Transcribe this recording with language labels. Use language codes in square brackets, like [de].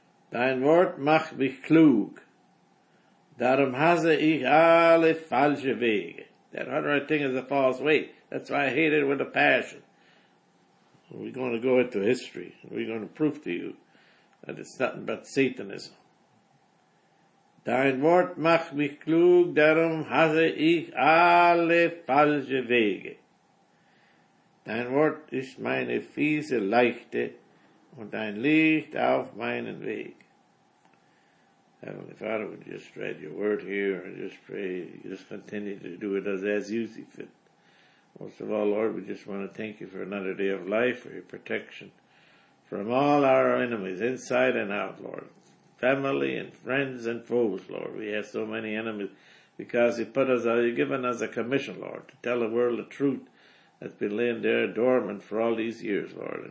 [de] Dein Wort macht mich klug. Darum hasse ich alle falsche Wege. [en] That right thing is a false way. That's why I hate it with a passion. We're going to go into history. We're going to prove to you that it's nothing but Satanism. [de] Dein Wort macht mich klug, darum hasse ich alle falsche Wege. Dein Wort ist meine fiese Leichte und dein Licht auf meinen Weg. [en] Heavenly Father, we just read your word here and just pray, just continue to do it as you see fit. Most of all, Lord, we just want to thank you for another day of life, for your protection from all our enemies, inside and out, Lord. Family and friends and foes, Lord. We have so many enemies because you've given us a commission, Lord, to tell the world the truth that's been laying there dormant for all these years, Lord.